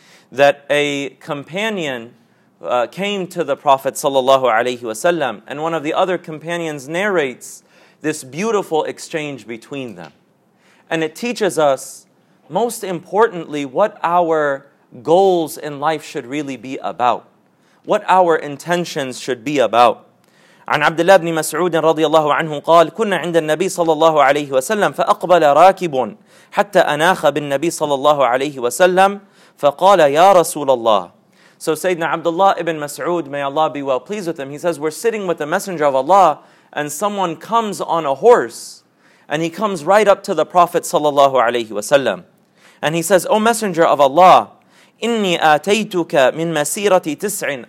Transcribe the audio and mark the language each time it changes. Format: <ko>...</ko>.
<en>That a companion came to the Prophet sallallahu alaihi wasallam, and one of the other companions narrates this beautiful exchange between them. And it teaches us, most importantly, what our goals in life should really be about. What our intentions should be about.</en> <ar>عن عبد الله بن مسعود رضي الله عنه قال كنا عند النبي صلى الله عليه وسلم فأقبل راكب حتى أناخ بالنبي صلى الله عليه وسلم فقال يا رسول الله.</ar> <en>So Sayyidina Abdullah ibn Mas'ud, may Allah be well pleased with him, he says, we're sitting with the Messenger of Allah and someone comes on a horse and he comes right up to the Prophet sallallahu alayhi wa sallam. And he says, O Messenger of Allah,</en> <ar>إني آتيتك من مسيرة تسع.</ar>